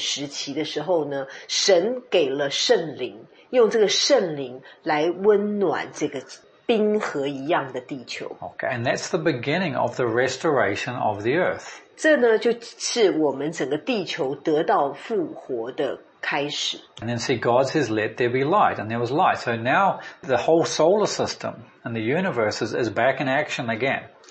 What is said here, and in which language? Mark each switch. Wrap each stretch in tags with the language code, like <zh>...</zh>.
<zh>所以呢,这个字呢,用在这边,它其实意思是说,当我们的地球进入了冰河的时期的时候呢,神给了圣灵, 用这个圣灵来温暖这个冰河一样的地球。Okay,</zh> <en>and that's the beginning of the restoration of the earth.</en> <zh>这呢就是我们整个地球得到复活的开始。</zh> <en>And then see, God says, let there be light, and there was light. So now the whole solar system and the universe is back in action again.</en>